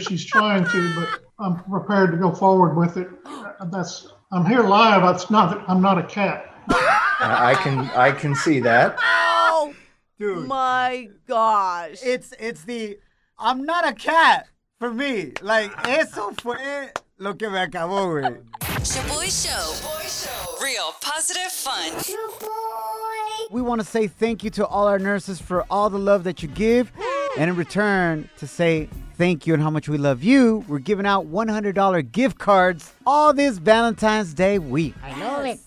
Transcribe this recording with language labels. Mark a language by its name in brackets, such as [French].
[English] She's trying to, but I'm prepared to go forward with it. I'm here live. I'm not a cat. I can see that. Ow! Dude. My gosh. It's the I'm not a cat for me. Like, [Spanish] eso fue lo que me acabó, güey. [English] Shaboy Show. Real positive fun. Shaboy. We want to say thank you to all our nurses for all the love that you give. And in return, to say thank you and how much we love you, we're giving out $100 gift cards all this Valentine's Day week. I know it.